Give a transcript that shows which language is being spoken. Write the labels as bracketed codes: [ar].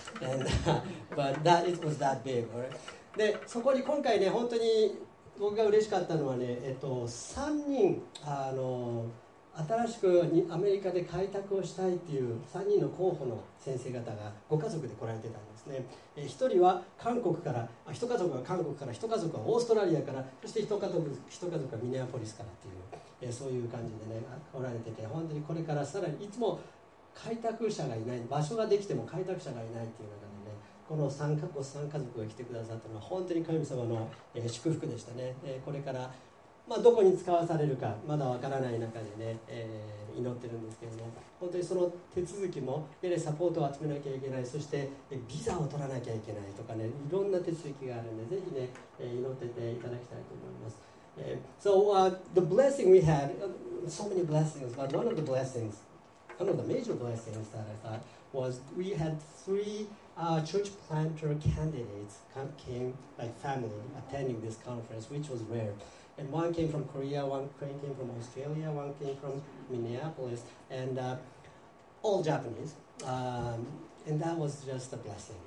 [en] And, but that, it was that big, right? [ja] で、そこに今回ね、本当に僕が嬉しかったのはね、3人、新しくアメリカで開拓をしたいっていう3人の候補の先生方がご家族で来られてたんですね。 1人は韓国から、1家族は韓国から、1家族はオーストラリアから、そして1家族、1家族はミネアポリスからっていう。そういう感じでね、おられてて、本当にこれからさらにいつも開拓者がいない、場所ができても開拓者がいないっていう中でね、この3カ国、3家族が来てくださったのは本当に神様の祝福でしたね。これから、まあ、どこに使わされるかまだわからない中でね、祈ってるんですけども、本当にその手続きも、サポートを集めなきゃいけない、そしてビザを取らなきゃいけないとかね、いろんな手続きがあるんで、ぜひね祈ってていただきたいと思います。 [en] So the blessing we had, so many blessings, but one of the blessings, one of the major blessings that I thought was we had three、church planter candidates came, like family, attending this conference, which was rare. And one came from Korea, one came from Australia, one came from Minneapolis, and、all Japanese.、and that was just a blessing.